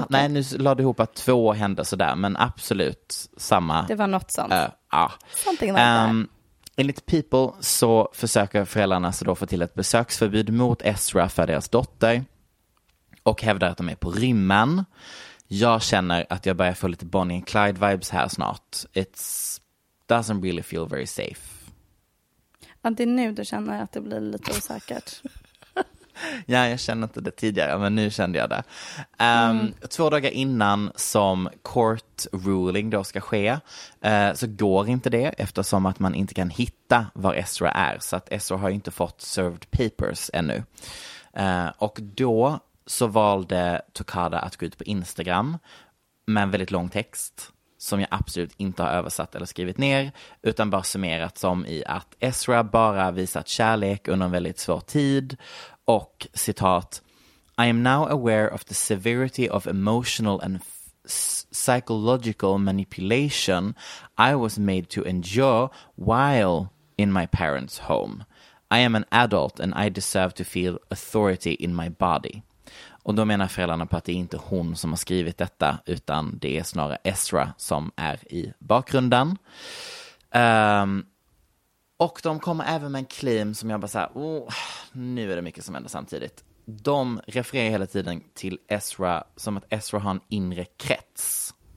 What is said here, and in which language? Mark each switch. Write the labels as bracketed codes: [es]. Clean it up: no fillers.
[sv] Ja, nej, nu lade ihop att två hände sådär, men absolut samma. Det var något sånt. Ja. Någonting var det där. Enligt People så försöker föräldrarna så då få till ett besöksförbud mot Ezra för deras dotter och hävdar att de är på rymmen. Jag känner att jag börjar få lite Bonnie and Clyde vibes här snart. [en] It doesn't really feel very safe. [sv] Ja, det är nu du känner att det blir lite osäkert. Ja, jag kände inte det tidigare, men nu kände jag det. Två dagar innan som [en] court ruling [sv] då ska ske så går inte det, eftersom att man inte kan hitta var Ezra är. Så att Ezra har inte fått [en] served papers [sv] ännu. Och då så valde Toccata att gå ut på Instagram med en väldigt lång text som jag absolut inte har översatt eller skrivit ner, utan bara summerat som i att Ezra bara visat kärlek under en väldigt svår tid. Och citat: [en] I am now aware of the severity of emotional and psychological manipulation I was made to endure while in my parents' home. I am an adult and I deserve to feel authority in my body. [sv] Och då menar föräldrarna på att det är inte hon som har skrivit detta, utan det är snarare Ezra som är i bakgrunden. Och de kommer även med en claim som jag bara såhär, oh, nu är det mycket som händer samtidigt. De refererar hela tiden till Ezra som att Ezra har en inre krets.